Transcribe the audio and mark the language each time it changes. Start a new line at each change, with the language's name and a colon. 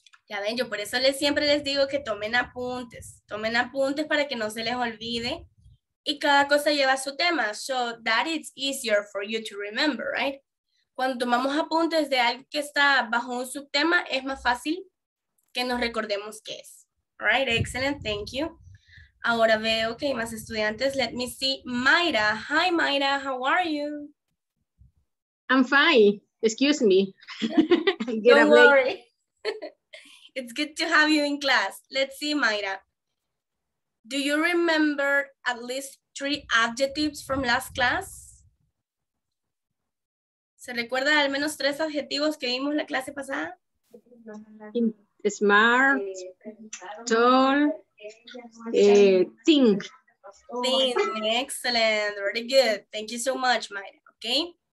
Spanish: Ya ven, yo por eso siempre les digo que tomen apuntes. Tomen apuntes para que no se les olvide. Y cada cosa lleva su tema.
English: So that it's easier for you to remember, right?
Spanish: Cuando tomamos apuntes de algo que está bajo un subtema, es más fácil que nos recordemos qué es.
English: All right, excellent, thank you.
Spanish: Ahora veo que hay más estudiantes.
English: Let me see, Mayra. Hi, Mayra, how are you? I'm fine, excuse me. Don't worry. It's good to have you in class. Let's see, Mayra. Do you remember at least 3 adjectives from last class?
Spanish: ¿Se recuerda al menos 3 adjetivos que vimos la clase pasada?
English: Smart, tall, think. Excellent, very good. Thank you so much, Mayra, okay?